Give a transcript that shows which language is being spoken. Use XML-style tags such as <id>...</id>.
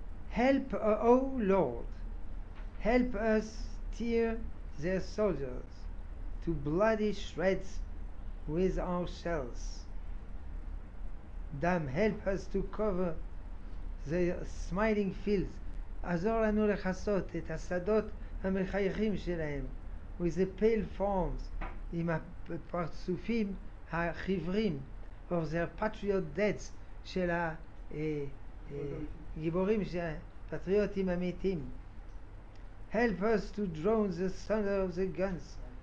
<en>Help, O Lord, help us tear their soldiers to bloody shreds with our shells. Damn, help us to cover the smiling fields.</en> <he>עזור לנו לחסות את השדות המחייכים שלהם</he> <en>with the pale forms,</en> <he>עם הפרצופים החיוורים</he> <en>of their patriot deads,</en> <he>של הגיבורים פטריוטים אמיתים.</he> <en>Help us to drown the thunder of the guns.</en>